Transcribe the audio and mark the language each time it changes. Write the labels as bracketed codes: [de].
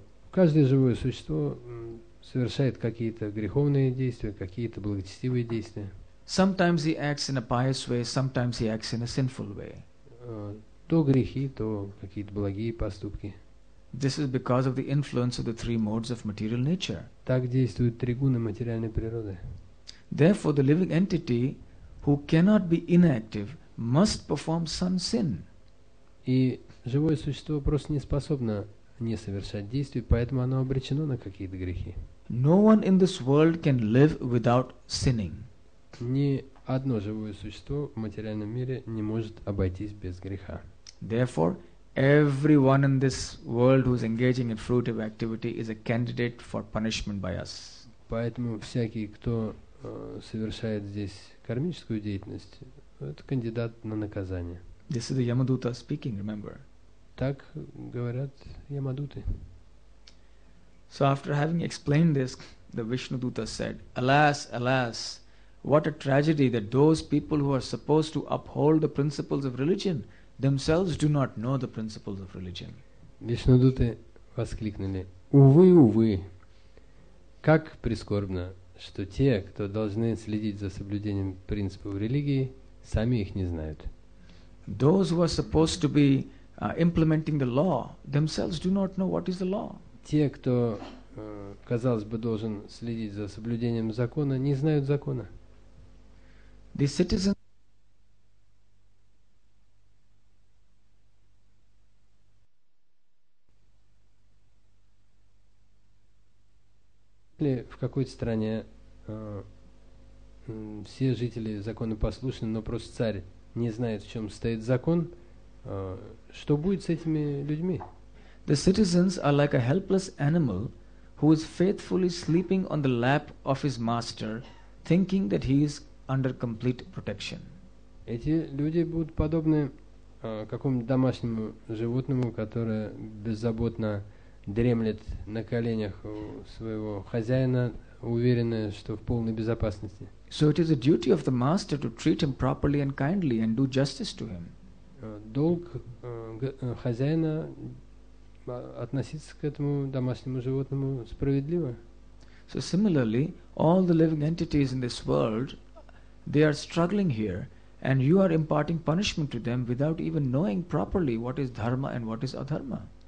[ru] Каждое живое существо совершает какие-то греховные действия, какие-то благочестивые действия. [en] Sometimes he acts in a pious way, sometimes he acts in a sinful way. [ru] То грехи, то какие-то благие поступки. [en] This is because of the influence of the three modes of material nature. [ru] Так действуют три гуны материальной природы. [en] Therefore, the living entity who cannot be inactive must perform some sin. [ru] И живое существо просто не способно не совершать действий, поэтому оно обречено на какие-то грехи. [en] No one in this world can live without sinning. [ru] Ни одно живое существо в материальном мире не может обойтись без греха. [en] Therefore, everyone in this world who is engaging in fruitive activity is a candidate for punishment by us. [ru] Поэтому всякий, кто совершает здесь кармическую деятельность, это кандидат на наказание. [en] This is the Yamaduta speaking, remember? [ru] Так говорят Ямадуты. [en] So after having explained this, the Vishnuduta said, "Alas, alas, what a tragedy that those people who are supposed to uphold the principles of religion themselves do not know the principles of religion." [ru] Вишнудуты воскликнули: "Увы, увы! Как прискорбно, что те, кто должны следить за соблюдением принципов религии, сами их не знают." [en] Those who are supposed to be implementing the law themselves do not know what is the law. [ru] Те, кто, казалось бы, должен следить за соблюдением закона, не знают закона. [en] The citizens [ru] в какой-то стране все жители законопослушны, но просто царь не знает, в чем стоит закон, что будет с этими людьми? [en] The citizens are like a helpless animal who is faithfully sleeping on the lap of his master, thinking that he is under complete protection. [ru] Эти люди будут подобны какому-нибудь домашнему животному, которое беззаботно дремлет на коленях у своего хозяина, уверенная, что в полной безопасности. [en] So it is the duty of the master to treat him properly and kindly and do justice to him. [ru] Долг хозяина относиться к этому домашнему животному справедливо. [en] So similarly, all the living entities in this world, they are struggling here, and you are imparting punishment to them without even knowing properly what is dharma and what is adharma.